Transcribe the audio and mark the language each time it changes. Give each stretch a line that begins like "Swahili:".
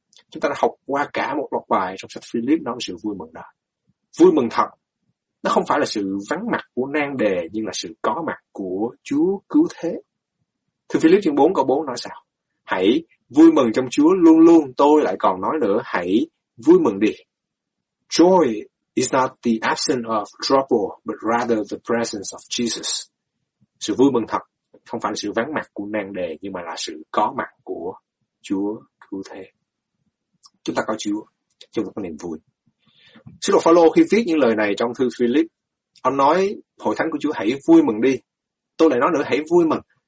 Vietnamese: Chúng ta đã học qua cả một loạt bài trong sách Philip nói về sự vui mừng đó. Vui mừng thật, nó không phải là sự vắng mặt của nan đề nhưng là sự có mặt của Chúa cứu thế. Thưa Philip chương 4 câu 4 nói sao? Hãy vui mừng trong Chúa luôn luôn, tôi lại còn nói nữa, hãy vui mừng đi.
English: Joy is not the absence of trouble, but rather the presence of Jesus.
Vietnamese: Sự vui mừng thật không phải là sự vắng mặt của nan đề, nhưng mà là sự có mặt của Chúa cứu thế. Chúng ta có Chúa, chúng ta có niềm vui. Sứ đồ Phaolô khi viết những lời này trong thư Philip, ông nói, hội thánh của Chúa hãy vui mừng đi. Tôi lại nói nữa, hãy vui mừng.